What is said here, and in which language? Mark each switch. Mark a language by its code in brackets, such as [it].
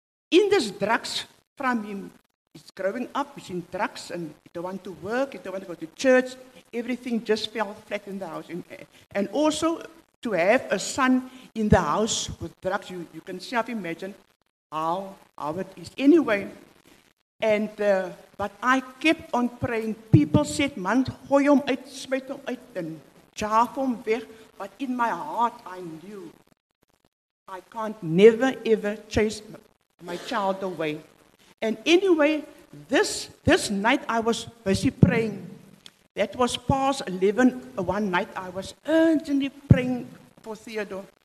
[en] In this drugs from him, he's growing up, he's in drugs, and he don't want to work, he don't want to go to church. Everything just fell flat in the house. And also, to have a son in the house with drugs, you can self-imagine how it is. Anyway, but I kept on praying. People said, man, [af] gooi hom uit, smijt hom uit, en jaaf hom weg. [en] But in my heart, I knew I can't never, ever chase my child away. And anyway, this night I was busy praying. That was past 11, one night I was urgently praying for Theodore.